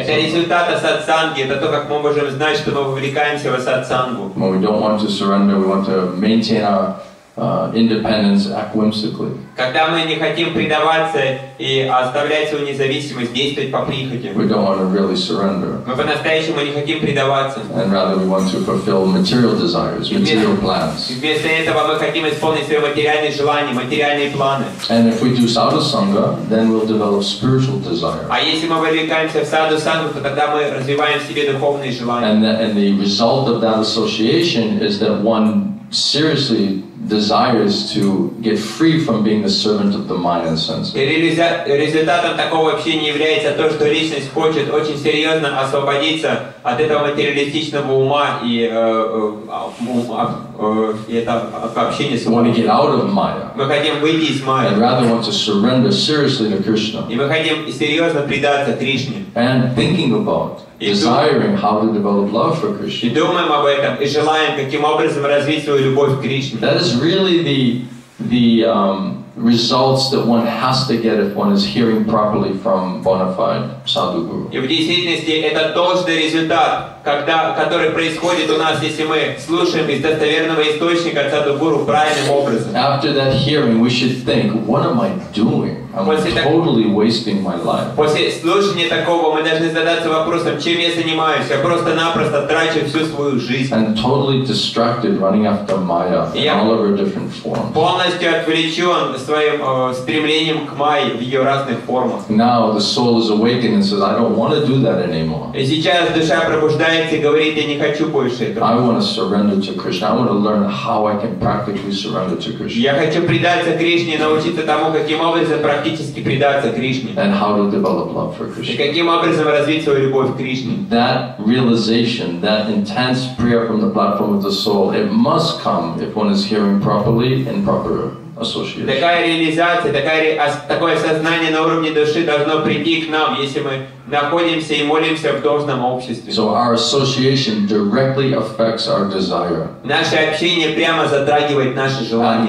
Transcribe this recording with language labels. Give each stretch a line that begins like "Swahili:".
Russian: Это результат асатсанги. Это то, как мы можем знать, что мы вовлекаемся в асатсангу.
English: When we don't want to surrender, we want to maintain our independence whimsically.
Russian: Когда мы не хотим предаваться и оставлять свою независимость, действовать по прихоти.
English: We don't want to really surrender.
Russian: Мы по-настоящему не хотим предаваться.
English: And rather we want to fulfill material desires, material plans.
Russian: Вместо этого мы хотим исполнить свои материальные желания, материальные планы.
English: And if we do sadhu sangha, then we'll develop spiritual desire.
Russian: А если мы вовлекаемся в sadhu sangha, то тогда мы развиваем в себе духовные желания.
English: And the result of that association is that one seriously desires to get free from being the servant of the mind and senses.
Russian: Результатом такого общения является то, что личность хочет очень серьезно освободиться от этого материалистичного ума и это общение с умом.
English: We want to get out of Maya.
Russian: Мы хотим выйти из Майи.
English: And rather want to surrender seriously to Krishna.
Russian: И мы хотим серьезно предаться Кришне.
English: And thinking about desiring how to develop love for Krishna.
Russian: И думаем об этом и желаем каким образом развить свою любовь к Кришне.
English: That is really the results that one has to get if one is hearing properly from bona fide sadhu guru.
Russian: И в действительности это должный результат, который происходит у нас, если мы слушаем из достоверного источника садху гуру правильным образом.
English: After that hearing, we should think, what am I doing? Totally wasting my life.
Russian: После слушания такого мы должны задаться вопросом, чем я занимаюсь? Я просто-напросто трачу всю свою жизнь.
English: And totally distracted, running after Maya in all of her different forms.
Russian: Полностью отвлечен своим стремлением к Майе в ее разных формах.
English: Now the soul is awakened and says, I don't want to do that anymore.
Russian: И сейчас душа пробуждается и говорит, я не хочу больше этого.
English: I want to surrender to Krishna. I want to learn how I can practically surrender to Krishna.
Russian: Я хочу предаться Кришне и научиться тому, каким образом практически предаться Кришне.
English: And how to develop love for Krishna.
Russian: И каким образом развить свою любовь к Кришне.
English: That realization, that intense prayer from the platform of the soul, it must come if one is hearing properly and proper association.
Russian: Такая реализация, такое осознание на уровне души должно прийти к нам, если мы находимся и молимся в должном обществе.
English: So our association directly affects our desire.
Russian: Наше общение прямо затрагивает наши желания.